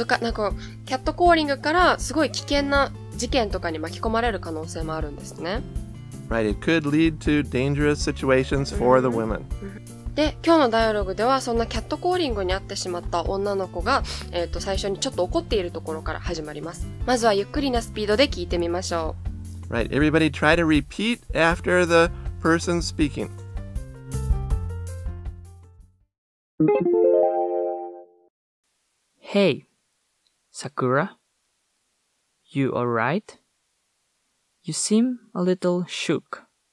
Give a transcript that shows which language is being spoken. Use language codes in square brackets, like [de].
[ja] 難なんか、キャットコーリングからすごい危険な事件とかに巻き込まれる可能性もあるんですね。 [en] Right, it could lead to dangerous situations for the women. [ja] で、今日のダイアログでは、そんなキャットコーリングに遭ってしまった女の子が、最初にちょっと怒っているところから始まります。まずはゆっくりなスピードで聞いてみましょう。 [en] Right, everybody try to repeat after the person speaking. Hey, Sakura. You alright? You seem a little shook.